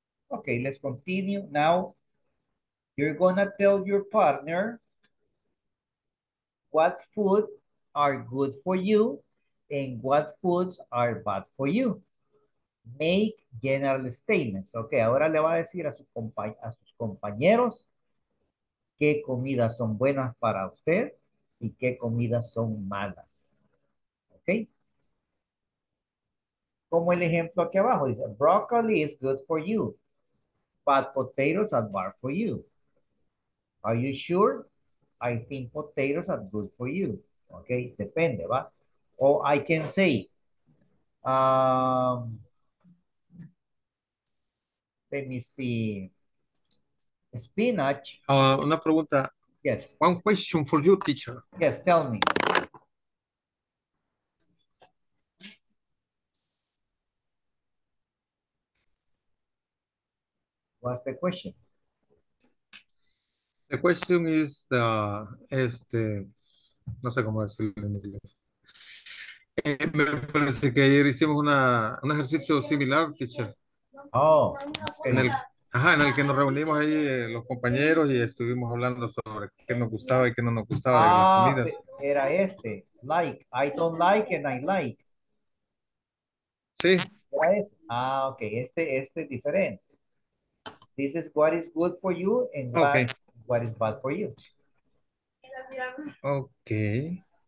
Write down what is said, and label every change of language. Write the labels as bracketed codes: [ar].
[en] Okay, let's continue. Now, you're gonna tell your partner what foods are good for you and what foods are bad for you. Make general statements. [es] Ok, ahora le va a decir a sus compañeros qué comidas son buenas para usted y qué comidas son malas. Ok. Como el ejemplo aquí abajo dice, [en] broccoli is good for you, but potatoes are bad for you. Are you sure? I think potatoes are good for you. Okay, [es] depende, ¿va? [en] Or I can say, let me see, spinach. [es] Una pregunta. [en] Yes. One question for you, teacher. Yes, tell me. What's the question? The question is the [es] este, no sé cómo decirlo en inglés. Me parece que ayer hicimos una un ejercicio similar, teacher. Oh. En el que nos reunimos ahí los compañeros y estuvimos hablando sobre qué nos gustaba y qué no nos gustaba de las comidas. Era este, [en] like, I don't like and I like. [es] Sí. Okay, este es diferente. [en] This is what is good for you and okay. What is bad for you. Okay.